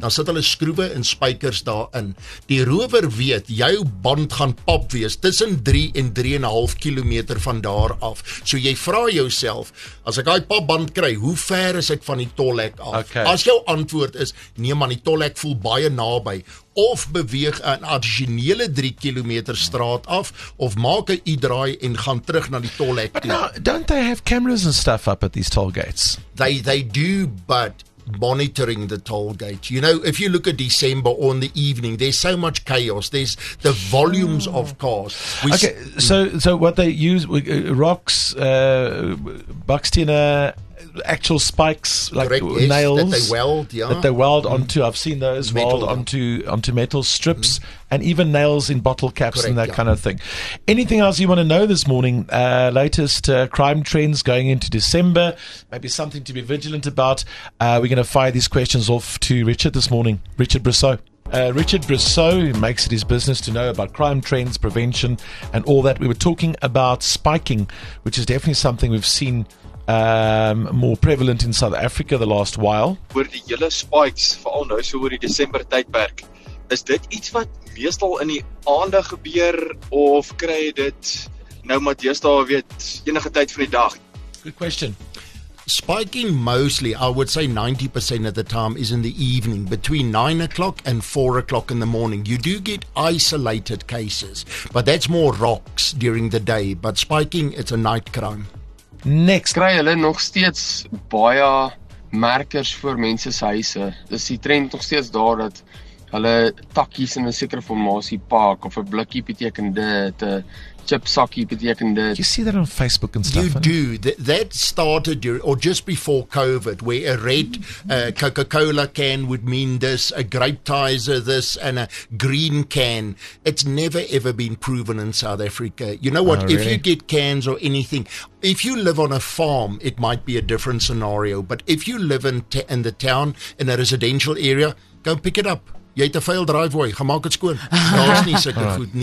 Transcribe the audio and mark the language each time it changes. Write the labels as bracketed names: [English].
[Afrikaans] Dan sit hulle skroewe en spykers daarin. Die rower weet jou band gaan pap wees tussen 3 en 3.5 kilometer van daar af. So jy vra jouself, as ek daai papband kry, hoe ver is ek van die tolhek af? Okay. As jou antwoord is, nee man, die tolhek voel baie naby, of beweeg 'n addisionele 3 km straat af, of maak 'n U-draai en gaan terug na die tolhek toe. [English] Now, don't they have cameras and stuff up at these toll gates? They do, but monitoring the toll gate. You know, if you look at December on the evening, there's so much chaos. There's the volumes of cars. So what they use, rocks, buckstena, actual spikes, like correct, nails. Yes, that they weld, yeah. That they weld onto, I've seen those, metal, weld onto metal strips, and even nails in bottle caps, correct, and that kind of thing. Anything else you want to know this morning? Latest crime trends going into December, maybe something to be vigilant about. We're going to fire these questions off to Richard this morning. Richard Brousseau. Richard Brousseau makes it his business to know about crime trends, prevention, and all that. We were talking about spiking, which is definitely something we've seen more prevalent in South Africa the last while. [Afrikaans] Oor die hele spikes, veral nou so oor die Desember tydperk, is dit iets wat meestal in die aande gebeur of kry dit nou maar deesdae weet enige tyd van die dag? [English] Good question. Spiking mostly, I would say 90% of the time, is in the evening, between 9 o'clock and 4 o'clock in the morning. You do get isolated cases, but that's more rocks during the day. But spiking, it's a night crime. Next. [Afrikaans] Kry hulle nog steeds baie merkers vir mense se huise. Dis die trend nog steeds daar dat hulle takkies in 'n sekere formasie pak of 'n blikkie beteken dit, 'n chipsakkie beteken dit. [English] You see that on Facebook and stuff. You do. That started during, or just before COVID, where a red Coca-Cola can would mean this, a grapetizer this, and a green can. It's never ever been proven in South Africa. You know what? Oh, really? If you get cans or anything, if you live on a farm, it might be a different scenario. But if you live in the town, in a residential area, go pick it up. [Afrikaans] Jy het 'n vuil driveway, gaan maak dit skoon. Daar is nie sulke goed nie.